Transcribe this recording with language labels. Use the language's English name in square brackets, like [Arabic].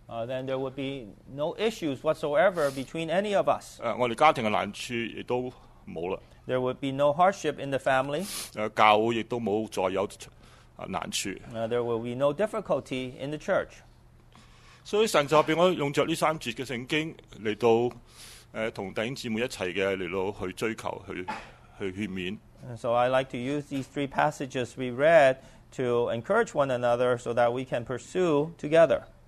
[English] Then there would be no issues whatsoever between any of us. [Chinese] 我们家庭的难处也都没了。 [English] There would be no hardship in the family. [Chinese] 教会也都没有再有难处。 [English] There will be no difficulty in the church. [Chinese] 所以神就让我用着这三节的圣经来到同弟兄姊妹一起的来到去追求去劝勉。 [English] And so I like to use these three passages we read to encourage one another so that we can pursue together.